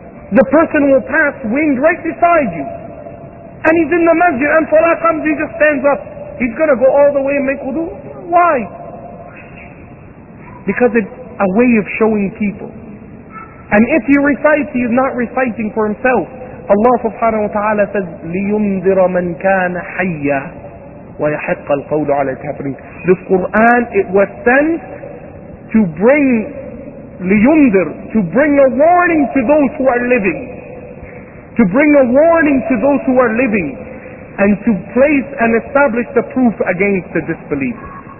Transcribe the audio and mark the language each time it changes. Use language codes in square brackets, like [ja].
[en] The person will pass wind right beside you, and he's in the masjid, and salah comes, he just stands up. He's gonna go all the way and make wudu. Why? Because it's a way of showing people And if he recites, he's not reciting for himself. Allah subhanahu wa ta'ala says, [ar] لِيُنذِرَ مَنْ كَانَ حَيَّ وَيَحِقَّ الْقَوْلُ عَلَى الْكَافِرِينَ. [en] This Quran, it was sent to bring, لِيُنذِر, to bring a warning to those who are living. To bring a warning to those who are living. And to place and establish the proof against the disbelievers.